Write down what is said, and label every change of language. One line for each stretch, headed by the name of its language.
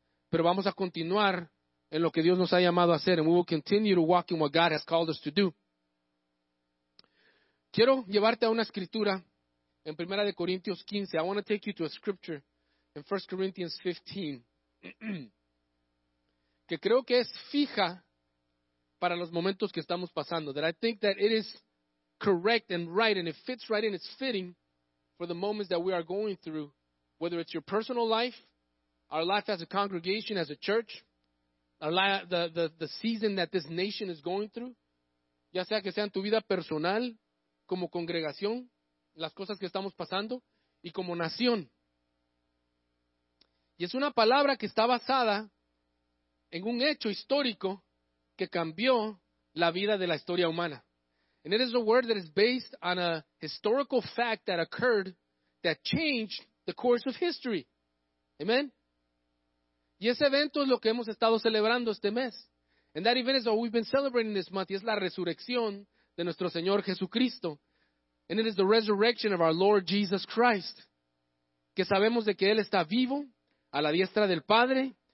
Spanish: Pero vamos a continuar en lo que Dios nos ha llamado a hacer.
English: And we will continue to walk in what God has called us to do.
Spanish: Quiero llevarte a una escritura en Primera de Corintios 15.
English: I want to take you to a scripture in 1 Corinthians 15.
Spanish: Que creo que es fija para los momentos que estamos pasando.
English: That I think that it is correct and right, and it fits right and it's fitting for the moments that we are going through, whether it's your personal life, our life as a congregation, as a church, the season that this nation is going through,
Spanish: ya sea que sea en tu vida personal, como congregación, las cosas que estamos pasando, y como nación. Y es una palabra que está basada en un hecho histórico que cambió la vida de la historia humana.
English: And it is a word that is based on a historical fact that occurred that changed the course of history. Amen.
Spanish: Y ese evento es lo que hemos estado celebrando este mes.
English: And that event is what we've been celebrating this month.
Spanish: Y es la resurrección de nuestro Señor Jesucristo.
English: And it is the resurrection of our Lord Jesus Christ.
Spanish: Que sabemos de que Él está vivo a la diestra del Padre.